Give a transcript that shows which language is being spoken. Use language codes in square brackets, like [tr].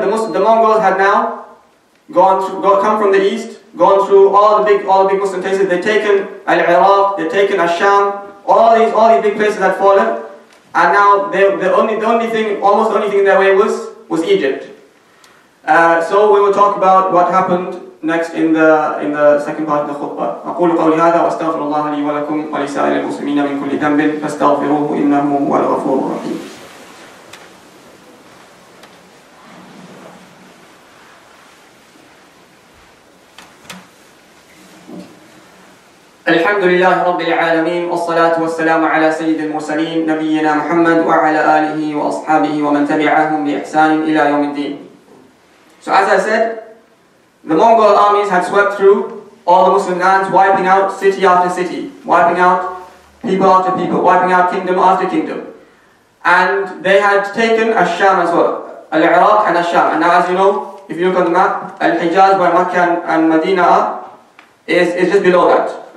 [en] The Mongols had now come from the east, gone through all the big Muslim places. They'd taken Al-Iraq, they'd taken Al-Sham, all these big places had fallen. And now the only thing in their way was Egypt. So we will talk about what happened next in the second part of the khutbah. [ar] أقول قولي هذا واستغفر الله لي ولكم ولسائر المسلمين من كل ذنب فاستغفروه إنه هو الغفور الرحيم. الحمد لله رب العالمين والصلاة والسلام على سيد المرسلين نبينا محمد وعلى آله وأصحابه ومن تبعهم بإحسان إلى يوم الدين. [en] So as I said, the Mongol armies had swept through all the Muslim lands, wiping out city after city, wiping out people after people, wiping out kingdom after kingdom. And they had taken Al-Sham as well, Al-Iraq and Al-Sham. And now as you know, if you look on the map, Al-Hijaz, where Mecca and Medina are, is just below that.